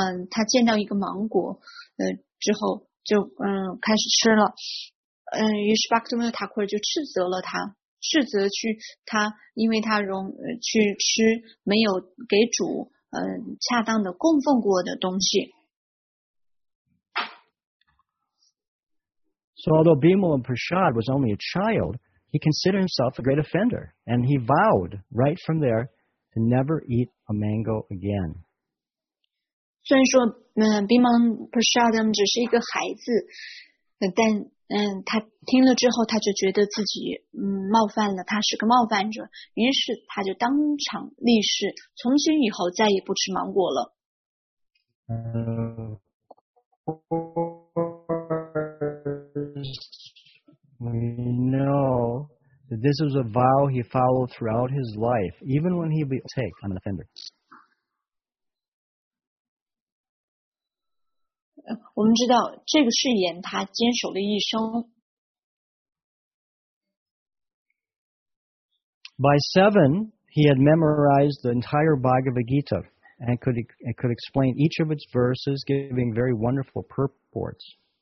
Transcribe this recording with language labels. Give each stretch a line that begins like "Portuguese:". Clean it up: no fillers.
Chinese: 他见到一个芒果，之后就开始吃了。于是 Bhaktivinoda Thakur 就斥责了他，斥责去他，因为他去吃没有给主恰当的供奉过的东西。
English: So although Bimala Prasad was only a child, he considered himself a great offender, and he vowed right from there to never eat a mango again.
Chinese: 虽然说Bimala Prasad 只是一个孩子，但他听了之后，他就觉得自己冒犯了，他是个冒犯者，于是他就当场立誓，从今以后再也不吃芒果了。
English: We know that this was a vow he followed throughout his life, even when he would take on an offender.
Chinese: 我们知道这个誓言他坚守了一生。
English: By 7, he had memorized the entire Bhagavad Gita and could explain each of its verses, giving very wonderful purports.